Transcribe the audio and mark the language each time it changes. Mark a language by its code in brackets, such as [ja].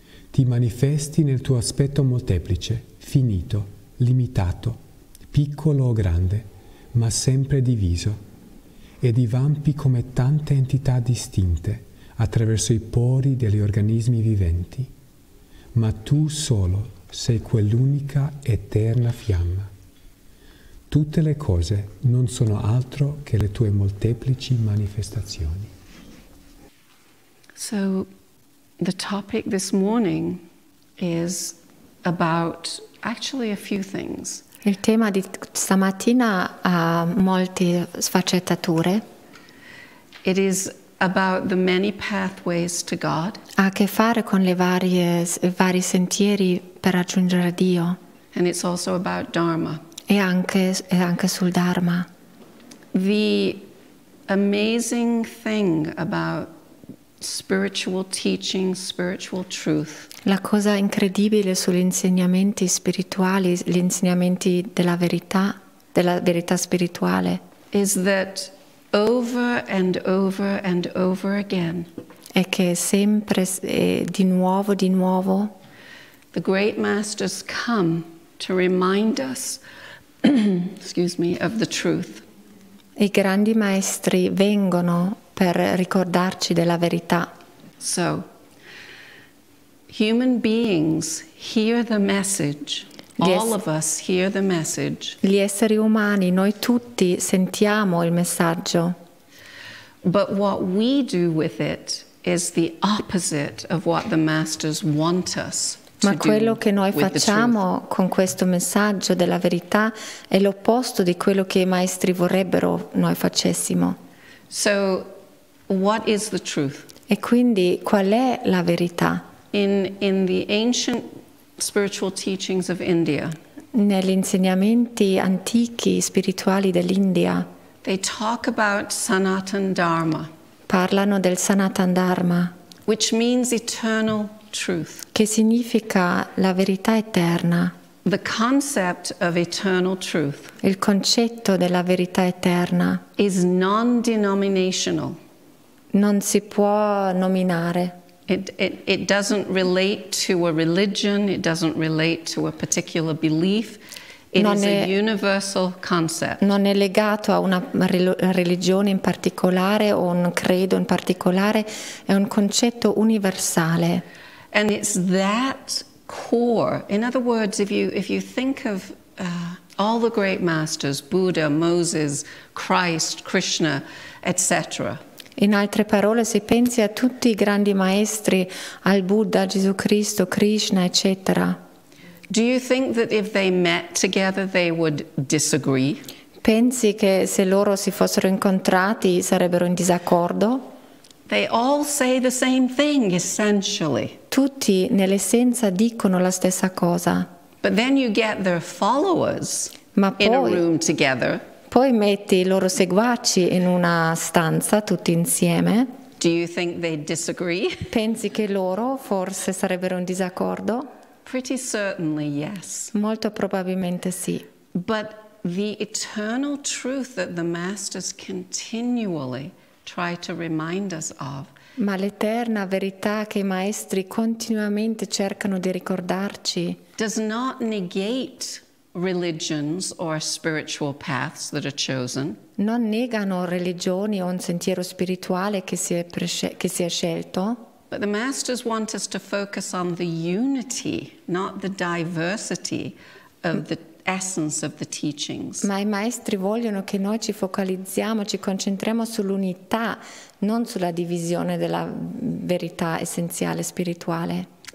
[it] Ti manifesti nel tuo aspetto molteplice, finito, limitato, piccolo o grande, ma sempre diviso, e divampi come tante entità distinte attraverso i pori degli organismi viventi, ma tu solo sei quell'unica eterna fiamma. Tutte le cose non sono altro che le tue molteplici manifestazioni. [en] So, the topic this morning is about actually a few things. [it] Il tema di stamattina ha molte sfaccettature. [en] It is about the many pathways to God. [it] Ha a che fare con le varie vari sentieri per raggiungere Dio. [en] And it's also about Dharma. [it] E anche sul Dharma. [en] The amazing thing about spiritual teaching, spiritual truth. [it] La cosa incredibile sugli insegnamenti spirituali, gli insegnamenti della verità spirituale, [en] is that over and over and over again. [it] È che sempre di nuovo, [en] the great masters come to remind us, excuse me, of the truth. [it] I grandi maestri vengono per ricordarci della verità. [en] So, human beings hear the message. All of us hear the message. [it] Gli esseri umani, noi tutti sentiamo il messaggio. [en] But what we do with it is the opposite of what the masters want us to do. [it] Ma quello che noi facciamo con questo messaggio della verità è l'opposto di quello che i maestri vorrebbero noi facessimo. [en] So, what is the truth? [it] E quindi qual è la verità? [en] In the ancient spiritual teachings of India. [it] Negli insegnamenti antichi spirituali dell'India. [en] They talk about Sanatan Dharma. [it] Parlano del Sanatan Dharma. [en] Which means eternal truth. [it] Che significa la verità eterna. [en] The concept of eternal truth. [it] Il concetto della verità eterna. [en] Is non-denominational. [it] Non si può nominare. [en] It doesn't relate to a religion, it doesn't relate to a particular belief. It [it] non [en] is [it] è, [en] a universal concept. [it] Non è legato a una religione in particolare o un credo in particolare, è un concetto universale. [en] And it's that core. In other words, if you think of all the great masters, Buddha, Moses, Christ, Krishna, etc. [it] In altre parole, se pensi a tutti i grandi maestri, al Buddha, Gesù Cristo, Krishna, eccetera. [en] Do you think that if they met together they would disagree? [it] Pensi che se loro si fossero incontrati sarebbero in disaccordo? [en] They all say the same thing, essentially. [it] Tutti nell'essenza dicono la stessa cosa. [en] But then you get their followers in a room together. [it] Poi metti i loro seguaci in una stanza tutti insieme. [en] Do you think they disagree? [it] Pensi che loro forse sarebbero in disaccordo? [en] Pretty certainly, yes. [it] Molto probabilmente sì. [en] But the eternal truth that the masters continually try to remind us of. [it] Ma l'eterna verità che i maestri continuamente cercano di ricordarci. [en] Does not negate religions or spiritual paths that are chosen. [it] Non negano religioni o un sentiero spirituale che si è scelto. [en] But the masters want us to focus on the unity, not the diversity of the essence of the teachings. [it] Ma i maestri vogliono che noi ci focalizziamo, ci concentriamo sull'unità, non sulla divisione della verità essenziale spirituale.